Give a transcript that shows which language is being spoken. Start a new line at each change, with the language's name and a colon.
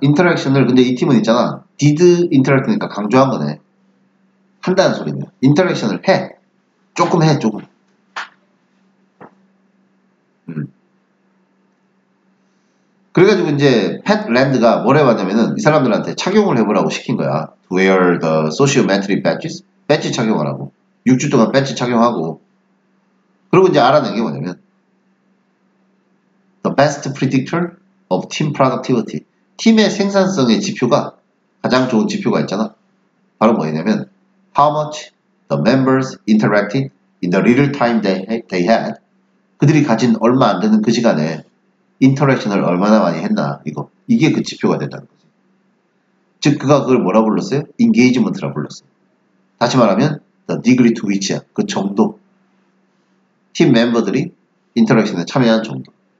Korean: 인터랙션을 근데 이 팀은 있잖아. did interact니까 강조한 거네. 한다는 소리네. 인터랙션을 해. 조금 해, 조금. 그래가지고 이제 팻 랜드가 뭘 해봤냐면은 이 사람들한테 착용을 해보라고 시킨 거야.
English: Wear the sociometry badges,
Korean: 배지 착용하라고. 6주 동안 배지 착용하고. 그리고 이제 알아낸 게 뭐냐면
English: the best predictor of team productivity,
Korean: 팀의 생산성의 지표가 가장 좋은 지표가 있잖아. 바로 뭐냐면
English: how much the members interacted in the little time they had.
Korean: 그들이 가진 얼마 안 되는 그 시간에. 인터랙션을 얼마나 많이 했나, 이거. 이게 그 지표가 된다는 거지. 즉, 그가 그걸 뭐라 불렀어요? 인게이지먼트라 불렀어요. 다시 말하면,
English: the degree to which야.
Korean: 그 정도. 팀 멤버들이 인터랙션에 참여한 정도.